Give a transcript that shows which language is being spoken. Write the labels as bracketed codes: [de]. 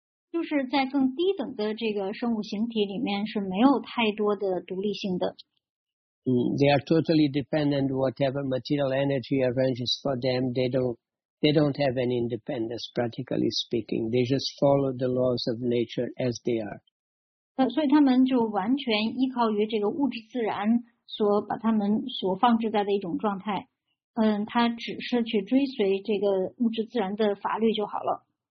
[zh] 就是在更低等的这个生物形体里面是没有太多的独立性的。 [en] They are totally dependent whatever material energy arranges for them. They don't have any independence, practically speaking. They just follow the laws of nature as they are. [zh] 所以他们就完全依靠于这个物质自然所把他们所放置在的一种状态。他只是去追随这个物质自然的法律就好了。